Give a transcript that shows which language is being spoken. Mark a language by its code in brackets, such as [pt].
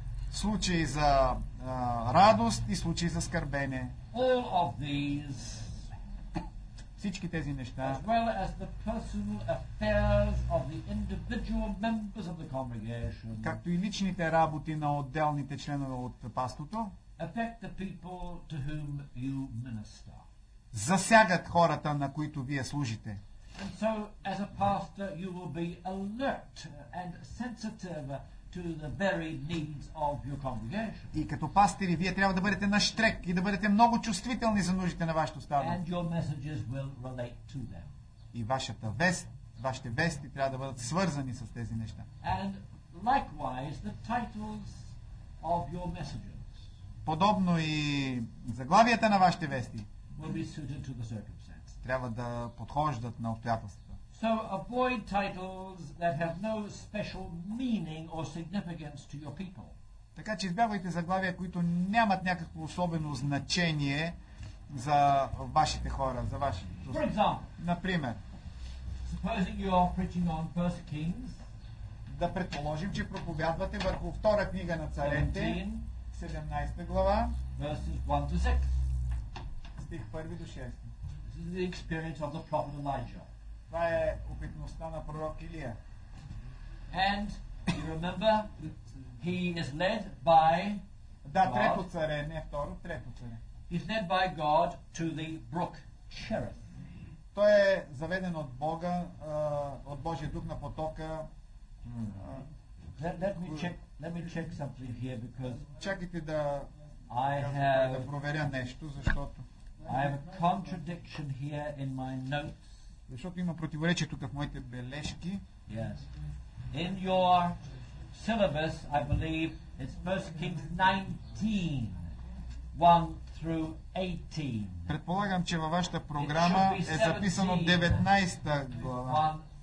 [bg] Случаи за радост и случаи за скърбене. [en] All of these. [bg] Всички тези неща, [en] as well as the personal affairs of the individual members of the congregation, [bg] както и личните работи на отделните членове от паството, [en] affect the people to whom you minister. [bg] Засягат хората, на които вие служите. [en] And so, as a pastor, you will be alert and sensitive to the very needs of your congregation. [bg] И като пастири вие трябва да бъдете на штрек и да бъдете много чувствителни за нуждите на вашето стадо. [en] And your messages will relate to them. [bg] И вашите вести трябва да бъдат свързани с тези неща. [en] And likewise the titles of your messages. [bg] Подобно и заглавията на вашите вести [en] will be suited to the circumstances. [bg] Трябва да подхождат на обстоятелствата. [en] So avoid titles that have no special meaning or significance to your people. [bg] Така че избягвайте заглавия, които нямат някакво особено значение за вашите хора, за вашето. [en] For example. [bg] Например. [en] Supposing you are preaching on 1 Kings. [bg] Да предположим, че проповядвате върху втора книга на царете, 17 глава, [en] verses 1 to 6. [bg] Стих 1 до 6. [en] This is the experience of the prophet Elijah. [bg] Това е опитността на пророк Илия. [en] And you remember he is led by [bg] Трето царе. [en] He's led by God to the brook Cherith. [bg] Той е заведен от Бога, от Божия дух на потока. [en] Let me check something here because [bg] чакайте да [en] I have [bg] да проверя нещо, защото [en] I have a contradiction here in my notes. [bg] Защото има противоречие тук в моите бележки. [en] Yes. In your syllabus, I believe, it's 1 Kings 19, 1 through 18. [bg] Предполагам, че във вашата програма е записано 19-та глава.